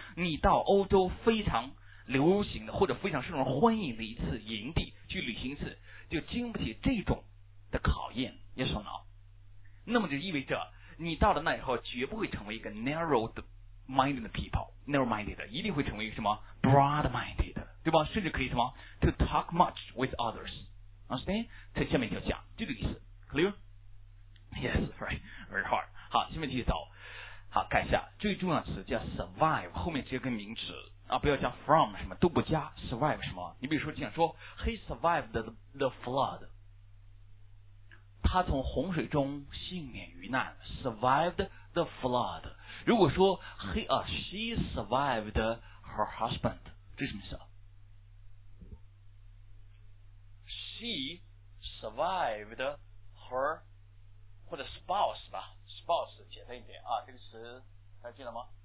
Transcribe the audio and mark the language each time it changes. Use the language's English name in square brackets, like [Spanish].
[Chinese] 你到欧洲非常流行的或者非常受人欢迎的一次营地去旅行一次，就经不起这种的考验，你说呢？那么就意味着你到了那以后绝不会成为一个 [English] narrow-minded people， [Chinese] narrow-minded 一定会成为什么 broad-minded， 对吧？甚至可以什么 [English] to talk much with others， understand？ [Chinese] 这下面就讲这个意思， clear？ [English] Yes， right， very hard。 [Chinese] 好，下面继续走。好，看一下最重要的词叫 survive， 后面直接跟名词啊，不要加 from 什么都不加 survive 什么。你比如说这样说 ， [English] He survived the flood。 [Chinese] 他从洪水中幸免于难 ， [English] survived the flood。 [Chinese] 如果说 [English] she survived her husband， [Chinese] 这是什么意思 ？ [English] She survived her [Chinese] 或者 spouse 吧 ，spouse 简单一点啊，这个词还记得吗？